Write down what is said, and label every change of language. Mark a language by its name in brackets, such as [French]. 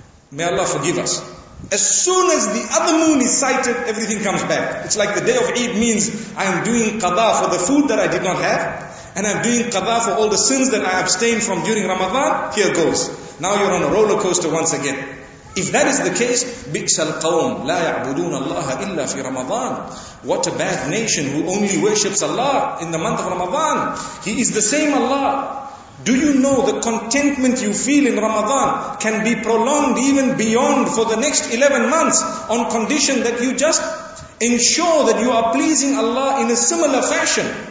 [English] May Allah forgive us. As soon as the other moon is sighted, everything comes back. It's like the day of Eid means I am doing qada for the food that I did not have, and I'm doing qada for all the sins that I abstained from during Ramadan. Here goes. Now you're on a roller coaster once again. If that is the case, [Arabic] بِئْسَ الْقَوْمُ لَا يَعْبُدُونَ اللَّهَ إِلَّا فِي رَمَضَانَ. [English] What a bad nation who only worships Allah in the month of Ramadan. He is the same Allah. Do you know the contentment you feel in Ramadan can be prolonged even beyond for the next 11 months on condition that you just ensure that you are pleasing Allah in a similar fashion?